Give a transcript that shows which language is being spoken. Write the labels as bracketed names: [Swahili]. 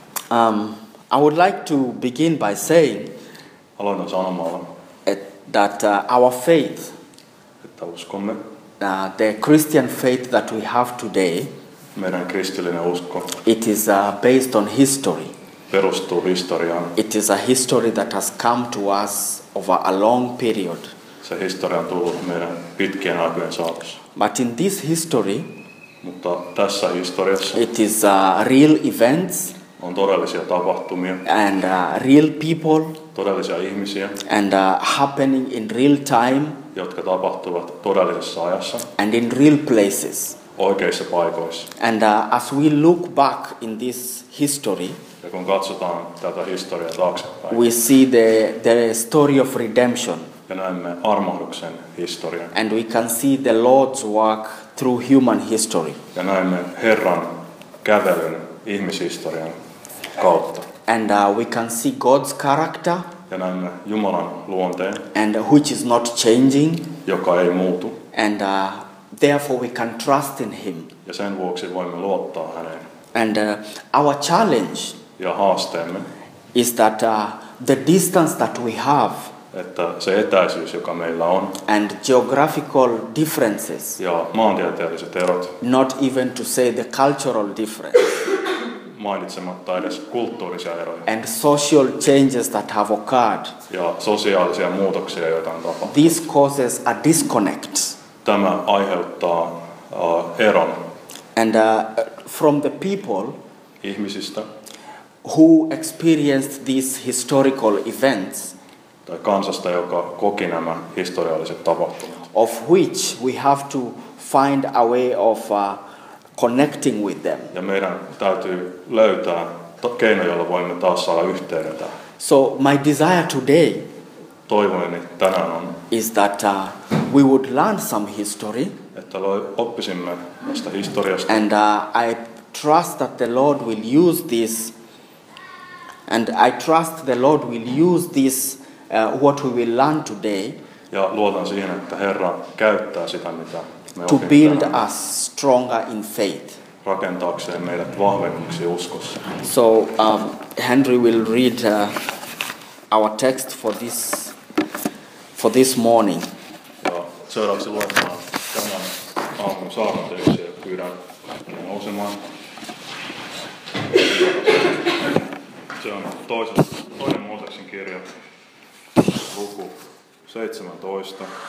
[English] I would like to begin by saying our faith, the Christian faith that we have today, [Finnish] meidän kristillinen usko, [English] it is based on history. [Finnish] Perustuu historiaan. [English] It is a history that has come to us over a long period. [Finnish] Se historia on tullut meidän pitkien aikojen saatossa. [English] But in this history, [Finnish] mutta tässä historiassa, [English] it is real events. [Finnish] On todellisia tapahtumia. [English] And real people. [Finnish] Todellisia ihmisiä. [English] And happening in real time. [Finnish] Jotka tapahtuvat todellisessa ajassa. [English] And in real places. [Finnish] Oikeissa paikoissa. [English] And as we look back in this history. [Finnish] Ja kun katsotaan tätä historiaa taaksepäin. [English] We see the story of redemption. [Finnish] Ja näemme armahduksen historian. [English] And we can see the Lord's work through human history. [Finnish] Ja näemme Herran kävelyn ihmishistorian kautta. [English] And we can see God's character. [Finnish] Ja näemme Jumalan luonteen. [English] And which is not changing. [Finnish] Joka ei muutu. [English] And therefore we can trust in him. [Finnish] Ja sen vuoksi voimme luottaa häneen. [English] And our challenge. [Finnish] Ja haasteemme. [English] Is that the distance that we have. [Finnish] Että se etäisyys, joka meillä on. [English] And geographical differences. [Finnish] Ja maantieteelliset erot. [English] Not even to say the cultural difference. [Finnish] Mainitsematta edes kulttuurisia eroja. [English] And social changes that have occurred. [Finnish] Ja sosiaalisia muutoksia, joita on tapahtunut. [English] These causes a disconnect. [Finnish] Tämä aiheuttaa eron. [English] And from the people. [Finnish] Ihmisistä. [English] Who experienced these historical events. [Finnish] Tai kansasta, joka koki nämä historialliset tapahtumat. [English] Of which we have to find a way of connecting with them. [Finnish] Ja meidän täytyy löytää keino, jolla voimme taas saada yhteyttä. [English] So my desire today, [Finnish] toivoni tänään on, [English] is that we would learn some history. [Finnish] Että oppisimme tästä historiasta. [English] And I trust that the Lord will use this. And I trust the Lord will use this what we will learn today. [Finnish] Ja luotan siihen, että Herra käyttää sitä, mitä [English] to build us stronger in faith. [Finnish] Rakentaakseen meidät vahvemmiksi uskossa. [English] So Henry will read our text for this morning. [Finnish] Ja seuraavaksi luetaan tämän aamun saarnateksti ja pyydän nousemaan. Se on toinen Mooseksen kirja, luku 17.